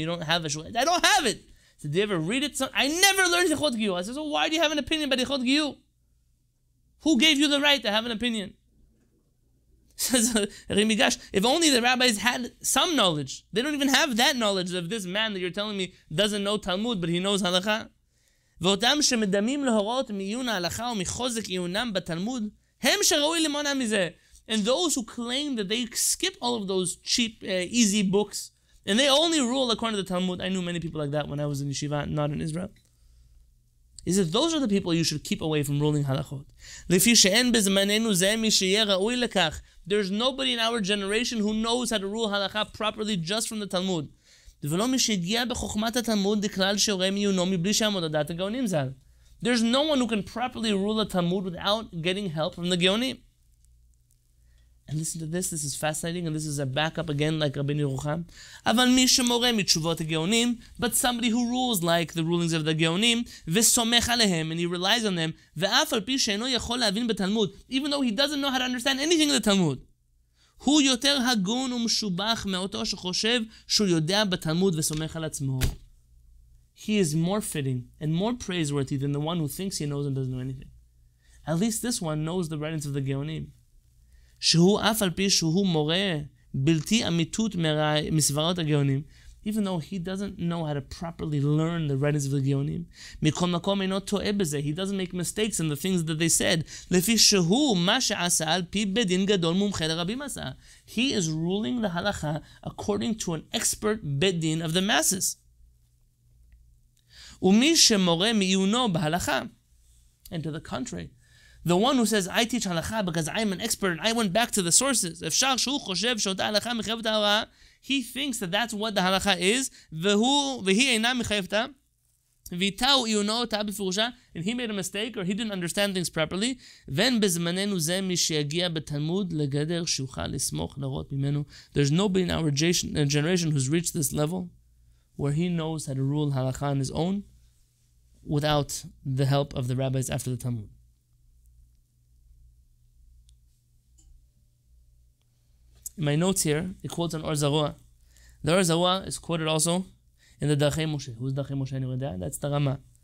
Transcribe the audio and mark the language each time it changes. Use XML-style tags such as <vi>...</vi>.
<en>You don't have a Shulchan Aruch. I don't have it. He said, did you ever read it? I never learned hilchot giyu. I said, so why do you have an opinion about hilchot giyu? Who gave you the right to have an opinion? Says Ri Migash, if only the rabbis had some knowledge. They don't even have that knowledge of this man that you're telling me doesn't know Talmud, but he knows Halacha.</en> <he>ואותם שמדמים להוראות מיון ההלכה ומחוזק עיונם בתלמוד, הם שראוי למונע מזה.</he> <en>And those who claim that they skip all of those cheap, easy books, and they only rule according to the Talmud. I knew many people like that when I was in yeshiva, not in Israel. Is that those are the people you should keep away from ruling halachot.</en> <he>לפי שאין בזמננו זה מי שיהיה ראוי לכך.</he> <en>There's nobody in our generation who knows how to rule halacha properly just from the Talmud.</en> <he>ולא מי שהגיע בחוכמת התלמוד לכלל שיעורי מיונו מבלי שעמוד הדעת הגאונים זל.</he> <en>There's no one who can properly rule a Talmud without getting help from the גאונים. And listen to this, this is fascinating, and this is a backup again like Rabbi Yerucham.</en> <he>אבל מי שמורה מתשובות הגאונים,</he> <en>but somebody who rules like the rulings of the גאונים,</en> <he>וסומך עליהם,</he> <en>and he relies on them,</en> <he>ואף על פי שאינו יכול להבין בתלמוד,</he> <en>even though he doesn't know how to understand anything in the Talmud,</en> <he>הוא יותר הגון ומשובח מאותו שחושב שהוא יודע בתלמוד וסומך על עצמו.</he> <en>He is more fitting and more praiseworthy than the one who thinks he knows and doesn't know anything. At least this one knows the writings of the גאונים.</en> <he>שהוא אף על פי שהוא מורה בלתי אמיתות מסברות הגאונים,</he> <en>even though he doesn't know how to properly learn the writings of the גאונים,</en> <he>מכל מקום אינו טועה בזה,</he> <en>he doesn't make mistakes in the things that they said,</en> <he>לפי שהוא מה שעשה על פי בדין גדול מומחה לרבים עשה.</he> <en>He is ruling the halacha according to an expert בדין of the masses.</en> <he>ומי שמורה מעיונו בהלכה,</he> <en>and to the contrary, the one who says, I teach halacha because I'm an expert and I went back to the sources.</en> <he>אפשר שהוא חושב שאותה הלכה מחייבת ההוראה,</he> <en>he thinks that that's what the halacha is,</en> <he>והיא אינה מחייבת, ויתאו עיונו אותה בפירושה,</he> <en>and he made a mistake or he didn't understand things properly,</en> <he>ואין בזמננו זה מי שיגיע בתלמוד לגדר שיוכל לסמוך לראות ממנו.</he> <en>There's nobody in our generation who's reached this level where he knows how to rule halacha on his own without the help of the rabbis after the Talmud. In my notes here, it quotes an Or Zaroa. The Or Zaroa is quoted also in the Darchei Moshe. Who's Darchei Moshe? Anyone there? That's the Rama.</en>